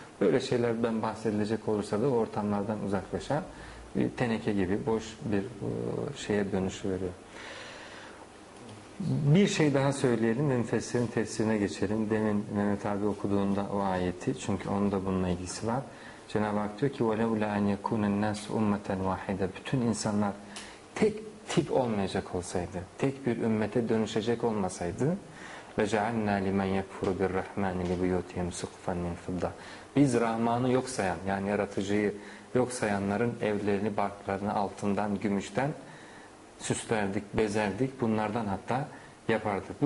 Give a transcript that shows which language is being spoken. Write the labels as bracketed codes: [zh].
[tr] Böyle şeylerden bahsedilecek olursa da ortamlardan uzaklaşan bir teneke gibi boş bir şeye dönüşüveriyor. Bir şey daha söyleyelim ve müfessirin tefsirine geçelim. Demin Mehmet abi okuduğunda o ayeti, çünkü onun da bununla ilgisi var. Cenab-ı Hak diyor ki [ar] وَلَوْ لَا اَنْ يَكُونَ النَّاسُ اُمَّةً وَاحِدًا. [tr] Bütün insanlar tek tip olmayacak olsaydı, tek bir ümmete dönüşecek olmasaydı, [ar] وَجَعَلْنَا لِمَنْ يَكْفُرُ بِالرَّحْمَنِ لِبُيُوتِهِمْ سُقُفًا مِنْ فِضَّةٍ. [tr] Biz Rahman'ı yok sayan, yani yaratıcıyı yok sayanların evlerini, barklarını altından, gümüşten süslerdik, bezerdik, bunlardan hatta yapardık.